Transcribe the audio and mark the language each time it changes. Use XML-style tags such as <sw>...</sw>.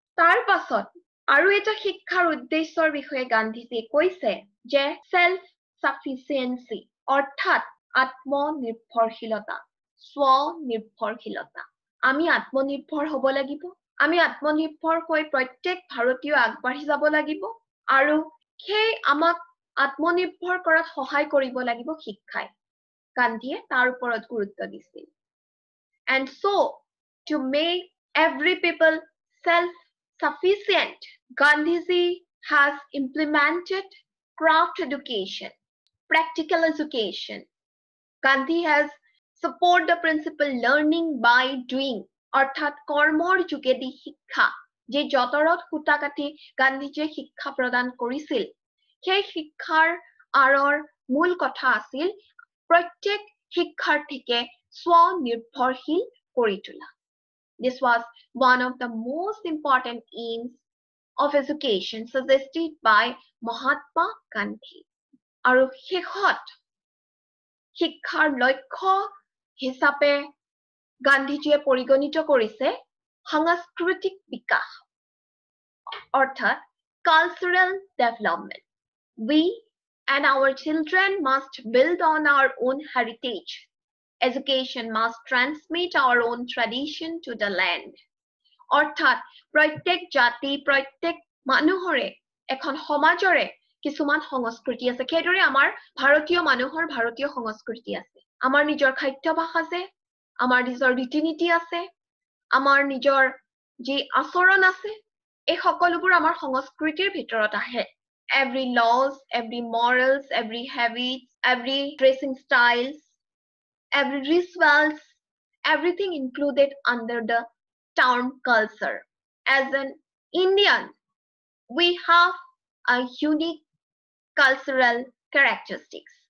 <as>তাৰ পাছত আৰু এটা শিক্ষাৰ উদ্দেশ্যৰ বিষয়ে গান্ধীজীয়ে কৈছে যে ছেল্ফ সাফিচিয়েন্সি, অৰ্থাৎ আত্মনিৰ্ভৰশীলতা, স্বনিৰ্ভৰশীলতা। আমি আত্মনিৰ্ভৰ হ'ব লাগিব, আমি আত্মনিৰ্ভৰ হৈ প্ৰত্যেক ভাৰতীয় আগবাঢ়ি যাব লাগিব, আৰু সেই আমাক আত্মনিৰ্ভৰ কৰাত সহায় কৰিব লাগিব শিক্ষাই। গান্ধীয়ে তাৰ ওপৰত গুৰুত্ব দিছিল।</as> <en>And so, to make every people self-sufficient, Gandhiji has implemented craft education, practical education. Gandhi has supported the principle learning by doing,</en> <as>অৰ্থাৎ কৰ্মৰ যোগেদি শিক্ষা, যে যতৰত সূতা কাটি গান্ধীজীয়ে শিক্ষা প্ৰদান কৰিছিল, সেই শিক্ষাৰ আঁৰৰ মূল কথা আছিল প্ৰত্যেক শিক্ষাৰ্থীকে স্বনিৰ্ভৰশীল কৰি তোলা।</as> <en>This was one of the most important aims of education suggested by Mahatma Gandhi.</en> <as>আৰু শেষত শিক্ষাৰ লক্ষ্য হিচাপে গান্ধীজীয়ে পৰিগণিত কৰিছে সাংস্কৃতিক বিকাশ, অৰ্থাৎ cultural development.</as> <en>We and our children must build on our own heritage. Education must transmit our own tradition to the land.</en> <as>অর্থাৎ প্রত্যেক জাতি, প্রত্যেক মানুহৰে, এখন সমাজৰে কিছুমান সংস্কৃতি আছে। কেদৰে আমাৰ ভাৰতীয় মানুহৰ ভাৰতীয় সংস্কৃতি আছে, আমাৰ নিজৰ খাদ্যভাস আছে, আমাৰ নিজৰ ৰীতি নীতি আছে, আমাৰ নিজৰ যি আচৰণ আছে, এই সকলোবোৰ আমাৰ সংস্কৃতিৰ ভিতৰত আহে।</as> <en>Every laws, every morals, every habits, every dressing styles, every rituals, everything included under the term culture. As an Indian, we have a unique cultural characteristics.</en>